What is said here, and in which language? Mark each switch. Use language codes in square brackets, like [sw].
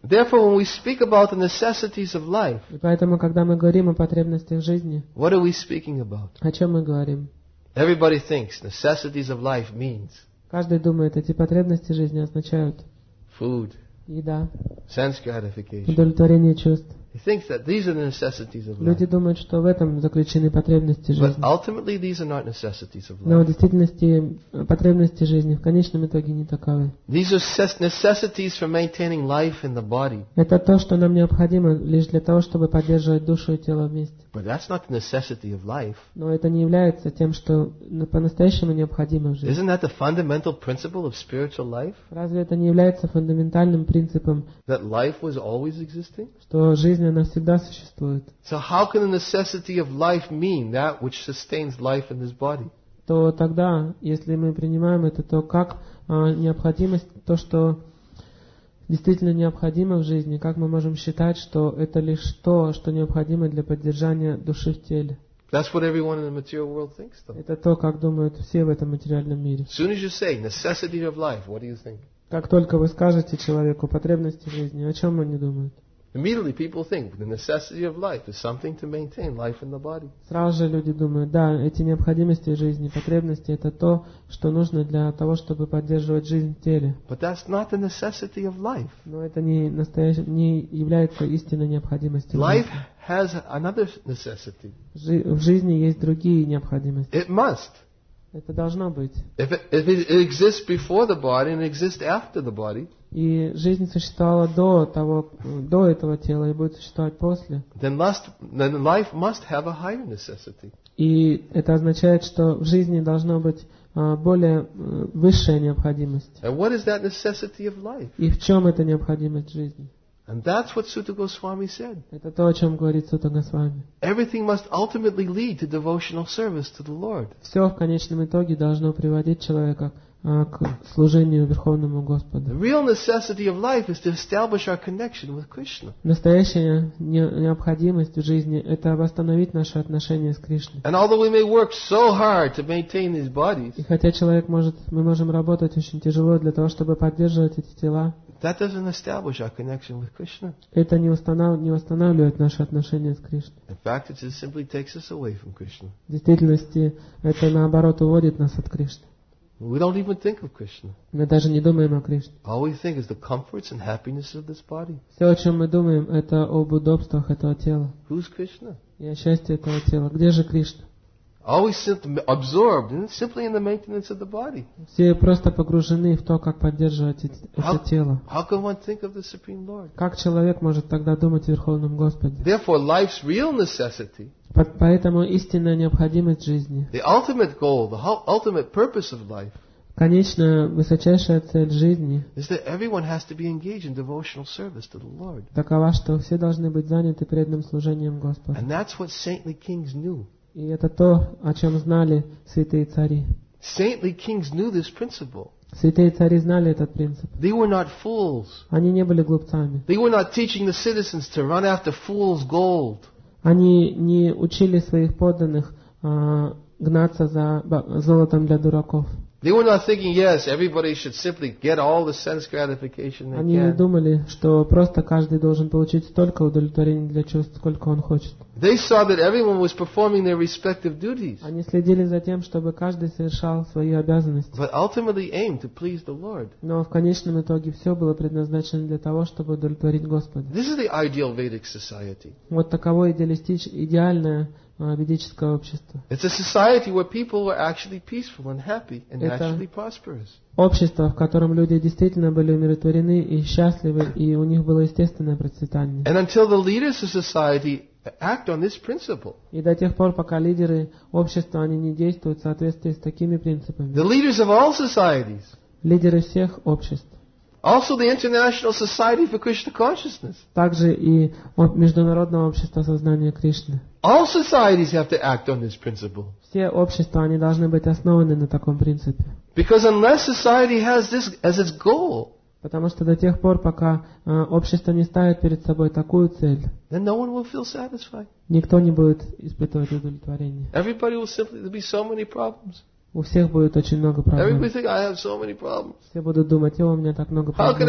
[en] Therefore, when we speak about the necessities of life, [ru] и поэтому, когда мы говорим о потребностях жизни, [en] what are we speaking about? [ru] О чем мы говорим? [en] Everybody thinks necessities of life means. [ru] Каждый думает, эти потребности жизни означают [en] food, [ru] еда, [en] sense gratification, [ru] удовлетворение чувств. [en] He thinks that these are the necessities of life. [ru] Люди думают, что в этом заключены потребности жизни. [en] But ultimately, these are not necessities of life. [ru] Но в действительности потребности жизни в конечном итоге не таковы. [en] These are necessities for maintaining life in the body. [ru] Это то, что нам необходимо лишь для того, чтобы поддерживать душу и тело вместе. [en] But that's not the necessity of life. [ru] Но это не является тем, что по-настоящему необходимо в жизни. [en] Isn't that the fundamental principle of spiritual life? [ru] Разве это не является фундаментальным принципом? [en] That life was always existing? [ru] Что жизнь она всегда существует. [en] So how can the necessity of life mean that which sustains life in this body? [ru] То тогда, если мы принимаем это, то как необходимость, то, что действительно необходимо в жизни, как мы можем считать, что это лишь то, что необходимо для поддержания души в теле? [en] That's what everyone in the material world thinks, though. [ru] Это то, как думают все в этом материальном мире. [en] As soon as you say necessity of life, what do you think? [ru] Как только вы скажете человеку потребности жизни, о чем они думают? [en] Immediately people think the necessity of life is something to maintain life in the body. [ru] Сразу же люди думают, да, эти необходимости жизни, потребности, это то, что нужно для того, чтобы поддерживать жизнь в теле. [en] But that's not the necessity of life. [ru] Но это не является истинной необходимостью жизни. [en] Life has another necessity. [ru] В жизни есть другие необходимости. [en] It must. [ru] Это должно быть. [en] If it exists before the body and exists after the body, [ru] и жизнь существовала до этого тела и будет существовать после, [en] then life must have a higher necessity. [ru] И это означает, что в жизни должно быть более высшая необходимость. [en] And what is that necessity of life? [ru] И в чем эта необходимость жизни? [en] And that's what Suta Goswami said. [ru] Это то, о чём говорит Сута Госвами. [en] Everything must ultimately lead to devotional service to the Lord. [ru] Всё в конечном итоге должно приводить человека к служению Верховному Господу. [en] The real necessity of life is to establish our connection with Krishna. [ru] Настоящая необходимость в жизни – это восстановить наши отношения с Кришной. [en] And although we may work so hard to maintain these bodies, [ru] и хотя человек может, мы можем работать очень тяжело для того, чтобы поддерживать эти тела, [en] that doesn't establish our connection with Krishna. [ru] Это не восстанавливает наши отношения с Кришной. [en] In fact, it just simply takes us away from Krishna. [ru] В действительности, это наоборот уводит нас от Кришны. [en] We don't even think of Krishna. [ru] Мы даже не думаем о Кришне. [en] All we think is the comforts and happiness of this body. [ru] Все, о чем мы думаем, это об удобствах этого тела. [en] Who's Krishna? [ru] И о счастье этого тела. Где же Кришна? [en] Always absorbed simply in the maintenance of the body. [ru] Все просто погружены в то, как поддерживать это тело. [en] How can one think of the Supreme Lord? [ru] Как человек может тогда думать о Верховном Господе? [en] Therefore, life's real necessity. [ru] Поэтому истинная необходимость жизни. [en] The ultimate goal, the ultimate purpose of life. [ru] Конечная высочайшая цель жизни. [en] Is that everyone has to be engaged in devotional service to the Lord. [ru] Такова, что все должны быть заняты преданным служением Господу. [en] And that's what saintly kings knew. [ru] И это то, о чем знали святые цари. [en] Saintly kings knew this principle. [ru] Святые цари знали этот принцип. [en] They were not fools. [ru] Они не были глупцами. [en] They were not teaching the citizens to run after fools' gold. [ru] Они не учили своих подданных гнаться за золотом для дураков. [en] They were not thinking, yes, everybody should simply get all the sense gratification they can. [ru] Они не думали, что просто каждый должен получить столько удовлетворений для чувств, сколько он хочет. [en] They saw that everyone was performing their respective duties. [ru] Они следили за тем, чтобы каждый совершал свои обязанности. [en] But ultimately aimed to please the Lord. [ru] Но в конечном итоге все было предназначено для того, чтобы удовлетворить Господа. [en] This is the ideal Vedic society. [ru] Вот таково идеальное ведическое общество. [en] It's a society where people were actually peaceful and happy and naturally prosperous. [ru] Общество, в котором люди действительно были умиротворены и счастливы, и у них было естественное процветание. [en] And until the leaders of society act on this principle. [ru] И до тех пор, пока лидеры общества они не действуют в соответствии с такими принципами. [en] The leaders of all societies. [ru] Лидеры всех обществ. [en] Also the International Society for Krishna Consciousness. [ru] Также и международное общество сознания Кришны. [en] All societies have to act on this principle. [ru] Все общества они должны быть основаны на таком принципе. [en] Because unless society has this as its goal. [ru] Потому что до тех пор, пока общество не ставит перед собой такую цель, [en] then no one will feel satisfied. [ru] Никто не будет испытывать удовлетворение. [en] Everybody will simply, there'll be so many problems. [ru] У всех будет очень много проблем. [en] Everybody think, I have so many problems. [ru] Все будут думать, у меня так много проблем.